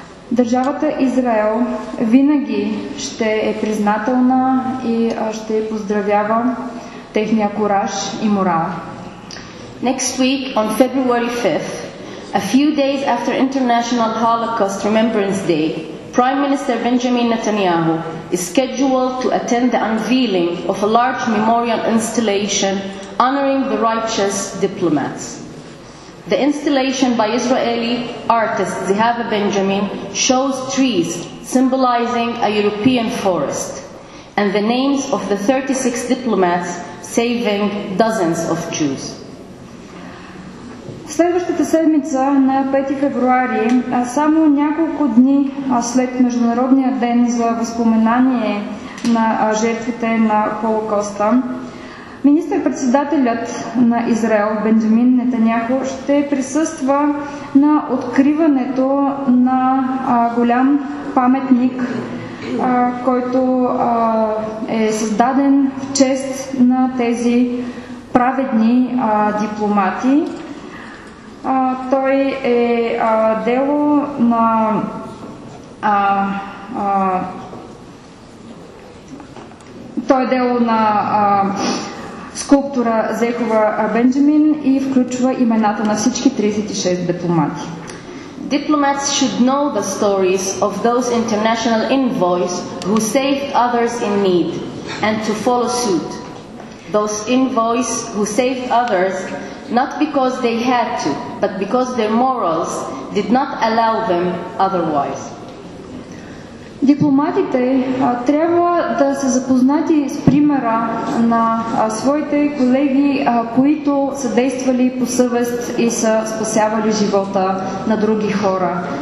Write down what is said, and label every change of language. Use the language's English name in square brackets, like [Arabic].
[Bulgarian] Държавата Израел винаги ще е признателна и ще поздравява техния кураж и морал. [English] Next week, on February 5th, a few days after International Holocaust Remembrance Day, Prime Minister Benjamin Netanyahu is scheduled to attend the unveiling of a large memorial installation honoring the righteous diplomats. The installation by Israeli artist Zehava Benjamin shows trees symbolizing a European forest and the names of the 36 diplomats saving dozens of Jews. [Bulgarian] Следващата седмица на 5 февруари, само няколко дни след Международния ден за възпоменание на жертвите на Холокоста, министър-председателят на Израел Бенджамин Нетаняху ще присъства на откриването на голям паметник, който е създаден в чест на тези праведни дипломати. Той е дело на скулптора Зехова Бенджамин и включва имената на всички 36 дипломати. [English] Diplomats should know the stories of those international envoys who saved others in need and to follow suit. Those envoys who saved others not because they had to, but because their morals did not allow them otherwise. [Bulgarian] Дипломатите трябва да са запознати с примера на своите колеги, които са действали по съвест и са спасявали живота на други хора.